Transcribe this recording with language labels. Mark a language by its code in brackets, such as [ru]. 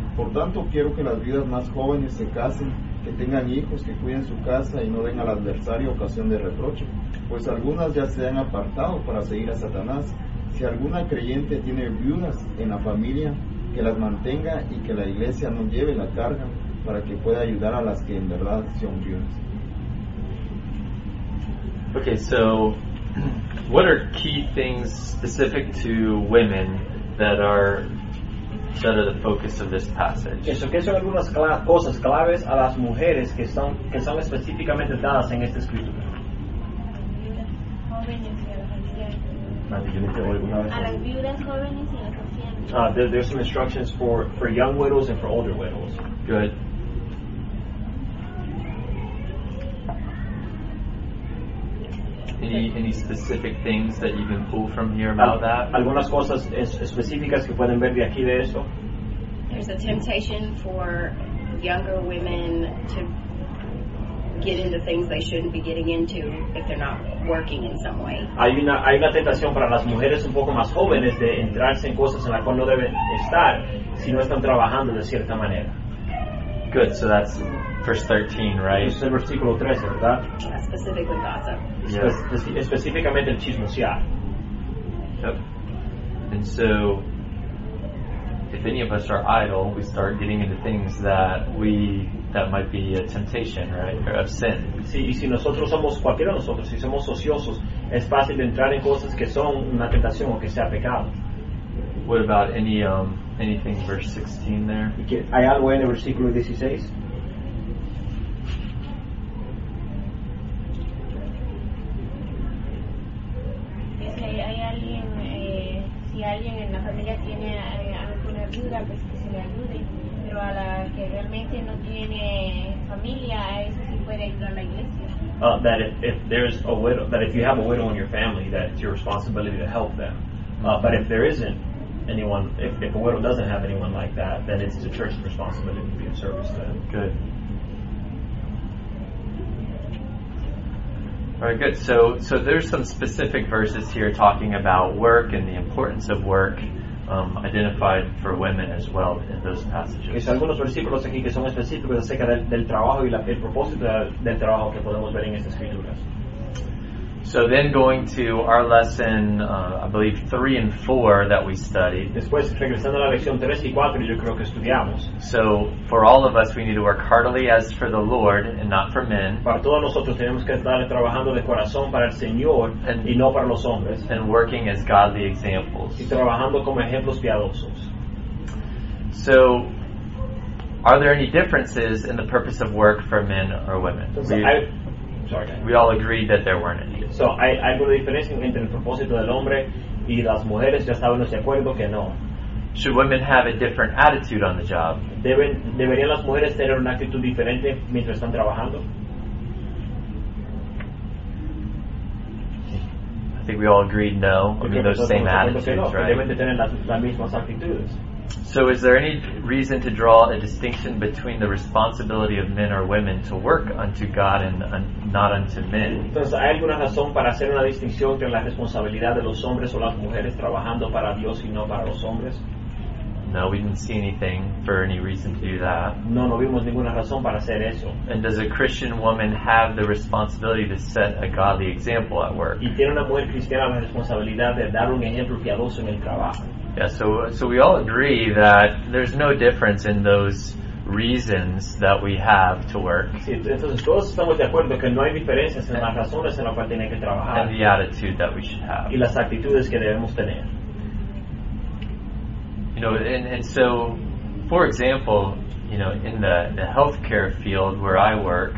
[es] Por tanto, quiero que las viudas más jóvenes se casen, que tengan hijos, que cuiden su casa y no den al adversario ocasión de reproche, pues algunas ya se han apartado para seguir a Satanás. Si alguna creyente tiene viudas en la familia, que las mantenga y que la iglesia no lleve la carga para que pueda ayudar a las que en verdad son viudas. [en] Okay, so what are key things specific to women that are the focus of this passage? [es] Eso, ¿qué son algunas cosas claves a las mujeres que son específicamente dadas en esta escritura? A las viudas y a las ancianas. ¿Alguna vez? A las viudas jóvenes y a las ancianas. [en] There's some instructions for young widows and for older widows. Good. Any specific things that you can pull from here about that? [es] Algunas cosas específicas que pueden ver de aquí de eso. [en] There's a temptation for younger women to get into things they shouldn't be getting into if they're not working in some way. [es] Hay una tentación para las mujeres un poco más jóvenes de entrarse en cosas en las cuales no deben estar si no están trabajando de cierta manera. [en] Good, so that's verse 13, right? [es] Es el versículo 13, ¿verdad? [en] Specifically gossip. [es] Yeah. Específicamente el chismosear. [en] Yep. And so, if any of us are idle, we start getting into things that might be a temptation, right? Or of sin. [es] Sí, y si nosotros somos, cualquiera de nosotros, si somos ociosos, es fácil entrar en cosas que son una tentación o que sea pecado. [en] What about anything verse 16 there? [es] ¿Hay algo en el versículo 16? alguien en la familia tiene alguna duda, pues que se le ayude. Pero a la que realmente no tiene familia, a eso sí puede ir a la iglesia. [en] That if there's a widow, that if you have a widow in your family, that it's your responsibility to help them. But if there isn't anyone, if a widow doesn't have anyone like that, then it's the church's responsibility to be of service to them. Good. All right, good. So there's some specific verses here talking about work and the importance of work, identified for women as well in those passages. [es] Hay algunos versículos aquí que son específicos acerca del trabajo y el propósito del trabajo que podemos ver en estas escrituras. [en] So then going to our lesson, I believe 3 and 4 that we studied. [es] Después regresando a la lección 3 y 4 yo creo que estudiamos. [en] So for all of us we need to work heartily as for the Lord and not for men. [es] Para todos nosotros tenemos que estar trabajando de corazón para el Señor y no para los hombres. [en] And working as godly examples. [es] Y trabajando como ejemplos piadosos. [en] So are there any differences in the purpose of work for men or women? Sorry. We all agreed that there weren't any. [es] So, hay una diferencia entre el propósito del hombre y las mujeres, ya estábamos de acuerdo que no. [en] Should women have a different attitude on the job? [es] ¿Deberían las mujeres tener una actitud diferente mientras están trabajando? [en] I think we all agreed no. I mean, those same attitudes, no, right? [es] Deben de tener las mismas actitudes. [en] So is there any reason to draw a distinction between the responsibility of men or women to work unto God and not unto men? [es] Entonces, ¿hay alguna razón para hacer una distinción entre la responsabilidad de los hombres o las mujeres trabajando para Dios y no para los hombres? [en] No, we didn't see anything for any reason to do that. [es] No vimos ninguna razón para hacer eso. [en] And does a Christian woman have the responsibility to set a godly example at work? [es] ¿Y tiene una mujer cristiana la responsabilidad de dar un ejemplo piadoso en el trabajo? [en] Yeah, so we all agree that there's no difference in those reasons that we have to work. [es] Sí, entonces todos estamos de acuerdo que no hay diferencias en las razones en las cuales tiene que trabajar. [en] And the attitude that we should have. [es] Y las actitudes que debemos tener. [en] You know, and so, for example, you know, in the healthcare field where I work.